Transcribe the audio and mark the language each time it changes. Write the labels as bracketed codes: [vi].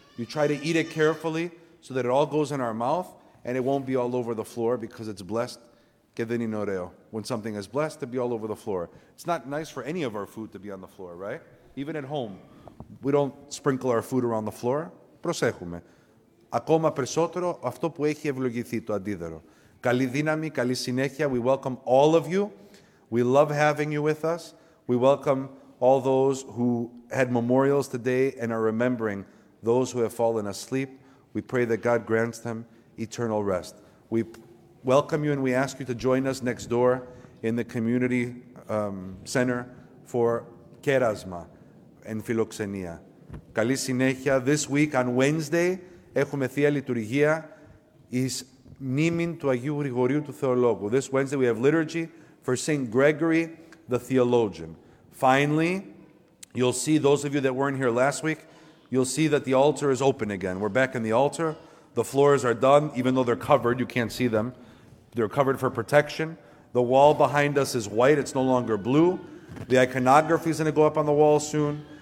[en] You try to eat it carefully so that it all goes in our mouth and it won't be all over the floor because it's blessed. When something is blessed, to be all over the floor. It's not nice for any of our food to be on the floor, right? Even at home, we don't sprinkle our food around the floor. [el] Προσέχουμε. Ακόμα περισσότερο αυτό που έχει ευλογηθεί, το αντίδερο. Καλή δύναμη, καλή συνέχεια. [en] We welcome all of you. We love having you with us. We welcome all those who had memorials today and are remembering those who have fallen asleep. We pray that God grants them eternal rest. We welcome you and we ask you to join us next door in the community center for Kerasma and Philoxenia. [el] Καλή συνέχεια. [en] This week on Wednesday, [el] έχουμε Θεία Λειτουργία εις μνήμην του Αγίου Γρηγορίου του Θεολόγου. [en] This Wednesday we have liturgy for St. Gregory the Theologian. Finally, you'll see, those of you that weren't here last week, you'll see that the altar is open again. We're back in the altar. The floors are done, even though they're covered, you can't see them. They're covered for protection. The wall behind us is white, it's no longer blue. The iconography is going to go up on the wall soon.